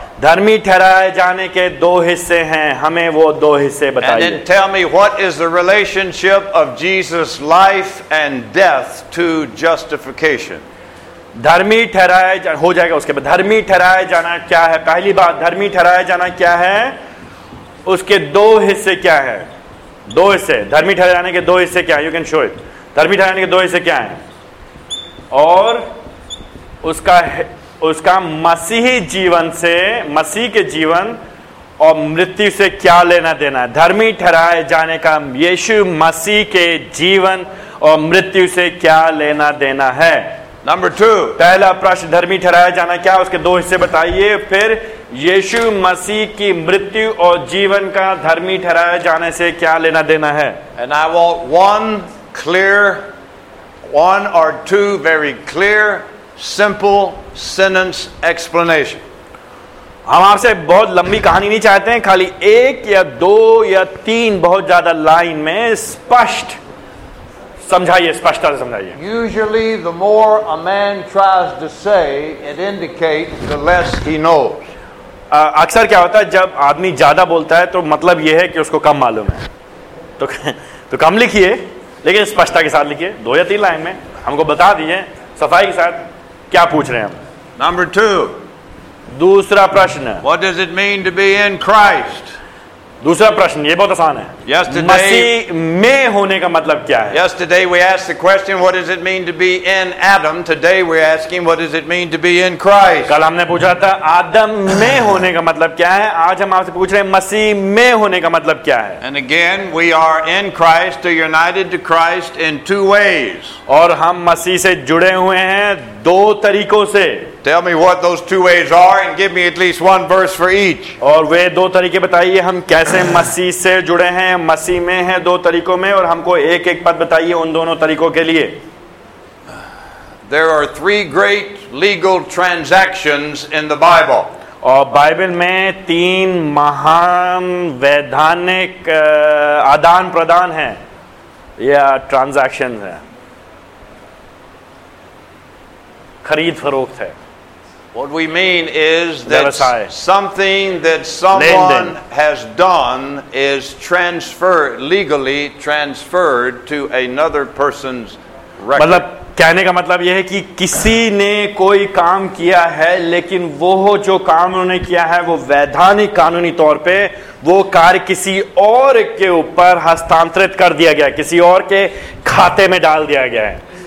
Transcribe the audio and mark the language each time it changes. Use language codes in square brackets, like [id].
[hi] धर्मी ठहराए जाने के दो हिस्से हैं, हमें वो दो हिस्से बताइए। [en] And then tell me what is the relationship of Jesus' life and death to justification? [hi] धर्मी ठहराए जाना हो जाएगा उसके बाद। धर्मी ठहराए जाना क्या है? पहली बात, धर्मी ठहराए जाना क्या है, उसके दो हिस्से क्या है? दो हिस्से, धर्मी ठहराए जाने के दो हिस्से क्या है? [en] You can show it. [hi] धर्मी ठहराने के दो हिस्से क्या है और उसका उसका मसीही जीवन से, मसीह के जीवन और मृत्यु से क्या लेना देना है? धर्मी ठहराए जाने का यीशु मसीह के जीवन और मृत्यु से क्या लेना देना है? [en] number two, [hi] पहला प्रश्न, धर्मी ठहराया जाना क्या, उसके दो हिस्से बताइए, फिर यीशु मसीह की मृत्यु और जीवन का धर्मी ठहराए जाने से क्या लेना देना है? [en] And I want one clear, one or two very clear, simple sentence explanation. [hi] हम आपसे बहुत लंबी कहानी नहीं चाहते हैं, खाली एक या दो या तीन बहुत ज्यादा लाइन में स्पष्ट समझाइए, स्पष्टता से समझाइए। [en] Usually the more a man tries to say, it indicates the less he knows. [hi] अक्सर क्या होता है, जब आदमी ज्यादा बोलता है तो मतलब यह है कि उसको कम मालूम है। तो कम लिखिए, लेकिन स्पष्टता के साथ लिखिए, दो या तीन लाइन में हमको बता दीजिए, सफाई के साथ, क्या पूछ रहे हैं हम। [en] number two, [hi] दूसरा प्रश्न, [en] What does it mean to be in Christ? [hi] दूसरा प्रश्न, ये बहुत आसान है, मसीह में होने का मतलब क्या है? [en] Yesterday we asked the question, what does it mean to be in Adam? Today we're asking, what does it mean to be in Christ? [hi] कल हमने पूछा था आदम में होने का मतलब क्या है, आज हम आपसे पूछ रहे हैं मसीह में होने का मतलब क्या है? [en] And again, we are in Christ, united to Christ in two ways. [hi] और हम मसीह से जुड़े हुए हैं दो तरीकों से। [en] Tell me what those two ways are and give me at least one verse for each. [hi] और वे दो तरीके बताइए, हम कैसे मसीह से जुड़े हैं, मसीह में हैं दो तरीकों में, और हमको एक एक पद बताइए उन दोनों तरीकों के लिए। [en] There are three great legal transactions in the Bible. [hi] और बाइबल में तीन महान वैधानिक आदान प्रदान हैं या ट्रांजैक्शन है, खरीद फरोख्त है। [en] What we mean is that something that someone has done is transferred, legally transferred to another person's record. [hi] मतलब कहने का मतलब यह है कि किसी ने कोई काम किया है, लेकिन वो जो काम उन्होंने किया है वो वैधानिक कानूनी तौर पे वो कार्य किसी और के ऊपर हस्तांतरित कर दिया गया, किसी और के खाते में डाल दिया गया है।